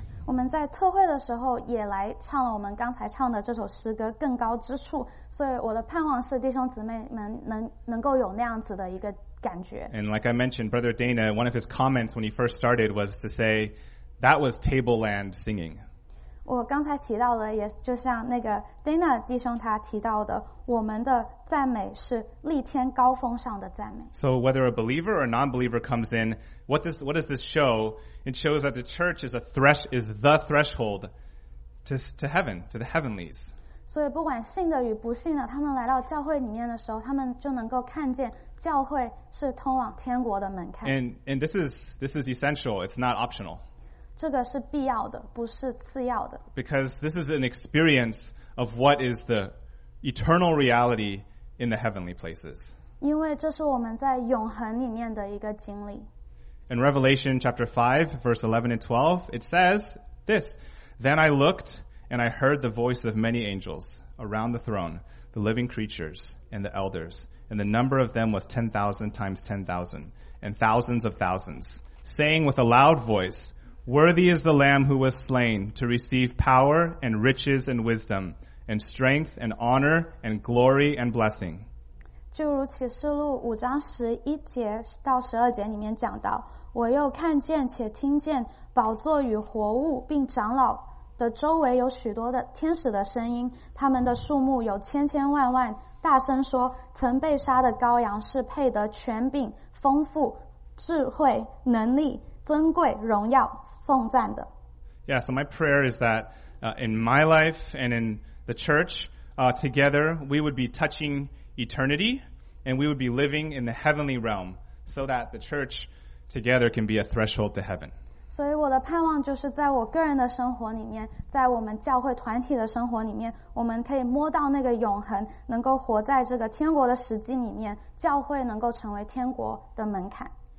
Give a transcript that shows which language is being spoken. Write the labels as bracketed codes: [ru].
[zh] 我们在特会的时候也来唱了我们刚才唱的这首诗歌更高之处所以我的盼望是弟兄姊妹们能够有那样子的一个感觉。 [en] And like I mentioned, Brother Dana, one of his comments when he first started was to say, that was tableland singing. [zh] 我刚才提到的也就像那个 Dana 弟兄他提到的我们的赞美是立天高峰上的赞美。 [en] So whether a believer or non-believer comes in, what does this show? It shows that the church is the threshold to heaven, to the heavenlies. [zh] 所以不管信的与不信的他们来到教会里面的时候他们就能够看见教会是通往天国的门槛。 [en] And this is essential, it's not optional. [zh] 这个是必要的，不是次要的。 [en] Because this is an experience of what is the eternal reality in the heavenly places. [zh] 因为这是我们在永恒里面的一个经历。 [en] In Revelation chapter 5, verse 11 and 12, it says this, Then I looked, and I heard the voice of many angels around the throne, the living creatures and the elders, and the number of them was 10,000 times 10,000, and thousands of thousands, saying with a loud voice,Worthy is the Lamb who was slain to receive power and riches and wisdom and strength and honor and glory and blessing. [zh] 就如启示录五章十一节到十二节里面讲到，我又看见且听见宝座与活物并长老的周围有许多的天使的声音，他们的数目有千千万万，大声说：曾被杀的羔羊是配得权柄、丰富、智慧、能力。尊贵荣耀颂赞的 [en] Yeah, so my prayer is that in my life and in the church together we would be touching eternity and we would be living in the heavenly realm so that the church together can be a threshold to heaven. [zh] 所以我的盼望就是在我个人的生活里面在我们教会团体的生活里面我们可以摸到那个永恒能够活在这个天国的时机里面教会能够成为天国的门槛